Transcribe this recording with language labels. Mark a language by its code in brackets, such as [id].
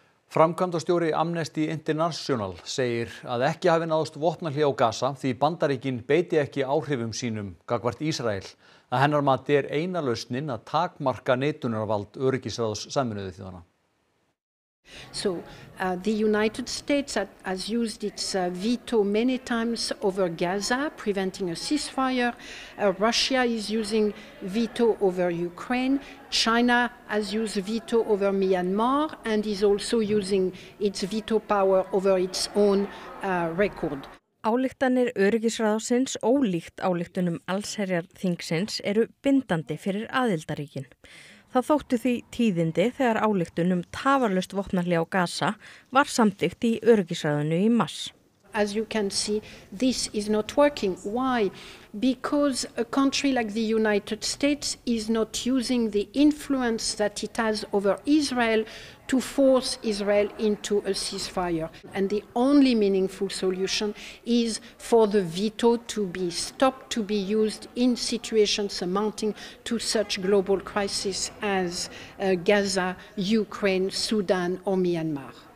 [is] Framkvæmdastjóri Amnesty International segir að ekki hafi náðst vopnahlé á Gaza því Bandaríkin beiti ekki áhrifum sínum gagnvart Ísrael. Að hennar mati eina lausnin að takmarka neitunarvald öryggisráðs Sameinuðu þjóðanna. [en] The United States has used its veto many times over Gaza, preventing a ceasefire. Russia is using veto over Ukraine. China has used veto over Myanmar and is also using its veto power over its own record. [is] Ályktanir öryggisráðsins ólíkt ályktunum allsherjarþingsins eru bindandi fyrir aðildarríkin. Það þóttu því tíðindi þegar ályktun tafarlaust vopnahlé á Gaza var samþykkt í öryggisráðinu í mars. [en] As you can see, this is not working. Why? Because a country like the United States is not using the influence that it has over Israel to force Israel into a ceasefire. And the only meaningful solution is for the veto to be stopped, to be used in situations amounting to such global crises as Gaza, Ukraine, Sudan or Myanmar.